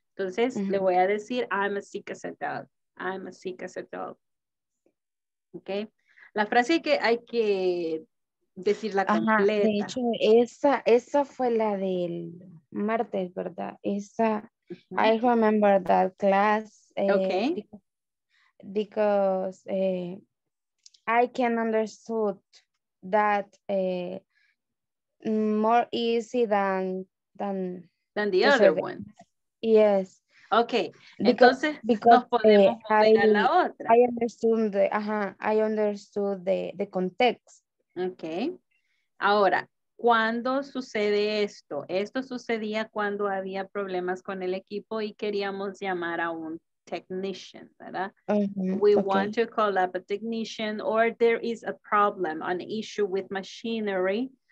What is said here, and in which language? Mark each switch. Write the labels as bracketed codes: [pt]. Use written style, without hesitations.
[es] Entonces, le voy a decir, [en] I'm as sick as a dog. I'm as sick as a dog. Ok. [es] La frase que hay que decirla completa. De hecho, esa fue la del martes, ¿verdad? [en] Esa, I remember that class. Ok. Because I can understood that more easy than the other one. Yes. [es] Ok, entonces nos podemos poner a la otra. [en] I understood the context. [es] Ok, ahora, ¿cuándo sucede esto? Esto sucedía cuando había problemas con el equipo y queríamos llamar a un technician, ¿verdad? [en] We want to call up a technician or there is a problem, an issue with machinery.